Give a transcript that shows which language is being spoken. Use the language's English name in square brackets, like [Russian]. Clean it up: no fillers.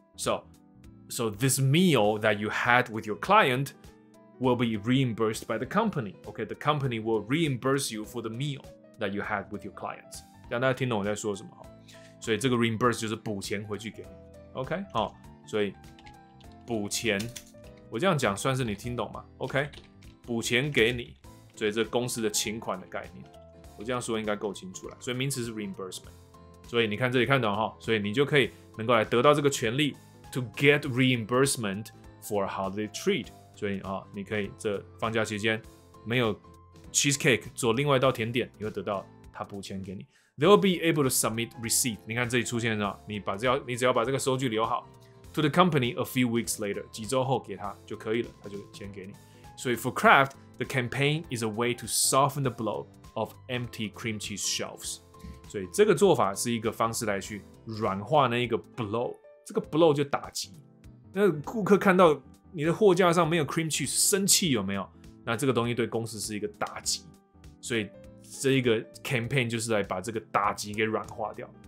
[English] So this meal that you had with your client will be reimbursed by the company. Okay, the company will reimburse you for the meal that you had with your client. [Chinese] 让大家听懂我在说什么。所以这个 reimburse 就是补钱回去给你。 Okay, 好，所以补钱，我这样讲算是你听懂吗 ？Okay, 补钱给你，所以这公司的请款的概念，我这样说应该够清楚了。所以名词是 reimbursement。所以你看这里看懂哈，所以你就可以能够来得到这个权利。 [English] To get reimbursement for a holiday treat， [Chinese] 所以啊，你可以这放假期间没有 cheesecake 做另外一道甜点，你会得到他补钱给你。 [English] They'll be able to submit receipt。 [Chinese] 你看这里出现了，你只要把这个收据留好 ， [English] to the company a few weeks later， [Chinese] 几周后给他就可以了，他就钱给你。 [English] 所以 for Kraft， the campaign is a way to soften the blow of empty cream cheese shelves。 [Chinese] 所以这个做法是一个方式来去软化那一个 blow。这个 blow 就打击，那顾客看到你的货架上没有 cream cheese， 生气有没有？那这个东西对公司是一个打击，所以这一个 campaign 就是来把这个打击给软化掉。